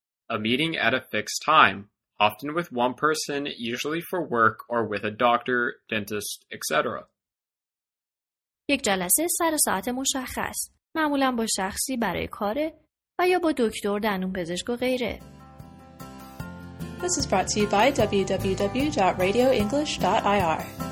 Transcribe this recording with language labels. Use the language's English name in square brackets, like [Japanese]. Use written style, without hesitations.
[English] A meeting at a fixed time, often with one person, usually for work or with a doctor, dentist, etc. [Persian] یک جلسه سر ساعت مشخص، معمولاً با شخصی برای کار و یا با دکتر، دندانپزشک و غیره. [English] This is brought to you by www.radioenglish.ir.